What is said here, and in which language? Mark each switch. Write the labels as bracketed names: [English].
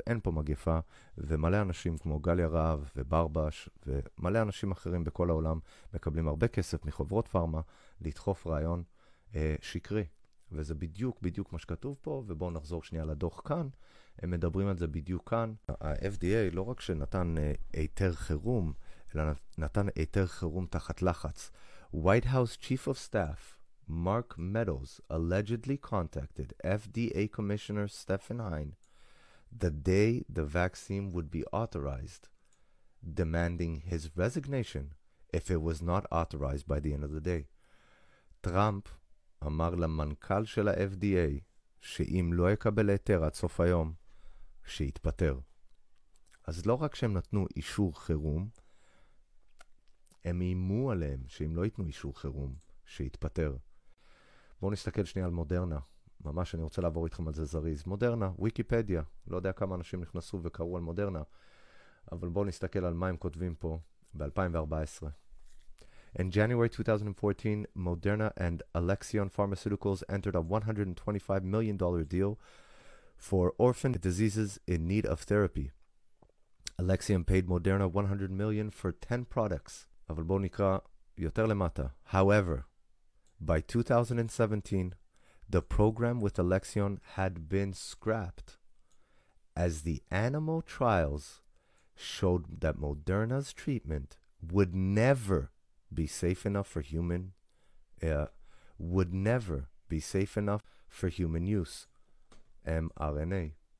[Hebrew] אין פה מגפה, ומלא אנשים כמו גליה רב וברבש ומלא אנשים אחרים בכל העולם מקבלים הרבה כסף מחברות פרמה לדחוף רעיון שקרי. וזה בדיוק, בדיוק מה שכתוב פה, ובואו נחזור שנייה לדוח כאן. הם מדברים על זה בדיוק כאן. ה-FDA לא רק שנתן היתר חירום, אלא נתן היתר חירום תחת לחץ. [English] White House Chief of Staff Mark Meadows allegedly contacted FDA Commissioner Stephen Hine the day the vaccine would be authorized, demanding his resignation if it was not authorized by the end of the day. [Hebrew] טראמפ אמר למנכ״ל של ה-FDA שאם לא יקבל היתר עד סוף היום, שיתפטר. אז לא רק שהם נתנו אישור חירום, הם אימו עליהם שאם לא ייתנו אישור חירום, שיתפטר. בואו נסתכל שנייה על מודרנה. ממש אני רוצה לעבור איתכם על זה זריז. מודרנה, ויקיפדיה. לא יודע כמה אנשים נכנסו וקראו על מודרנה, אבל בואו נסתכל על מה הם כותבים פה ב-2014. [English] In January 2014, Moderna and Alexion Pharmaceuticals entered a $125 million deal for orphan diseases in need of therapy. Alexion paid Moderna $100 million for 10 products. [Hebrew] אבל בוא נקרא יותר למטה. [English] However, by 2017, the program with Alexion had been scrapped as the animal trials showed that Moderna's treatment would never be safe enough for human would never be safe enough for human use mRNA.